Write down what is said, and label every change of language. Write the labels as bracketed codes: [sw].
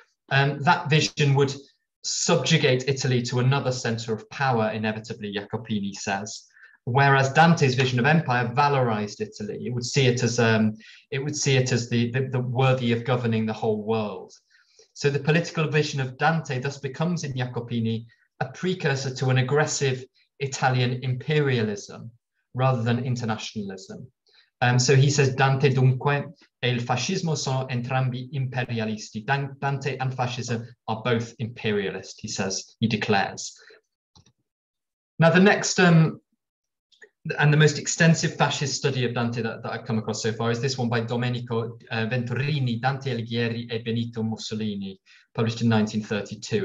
[en] That vision would subjugate Italy to another center of power, inevitably, Jacopini says, whereas Dante's vision of empire valorized Italy. It would see it as the worthy of governing the whole world. So the political vision of Dante thus becomes, in Jacopini, a precursor to an aggressive Italian imperialism rather than internationalism. So he says, [it] Dante dunque e il fascismo sono entrambi imperialisti. [en] Dante and fascism are both imperialist, he says, he declares. Now the next and the most extensive fascist study of Dante that I've come across so far is this one by Domenico Venturini, Dante Alighieri e Benito Mussolini, published in 1932.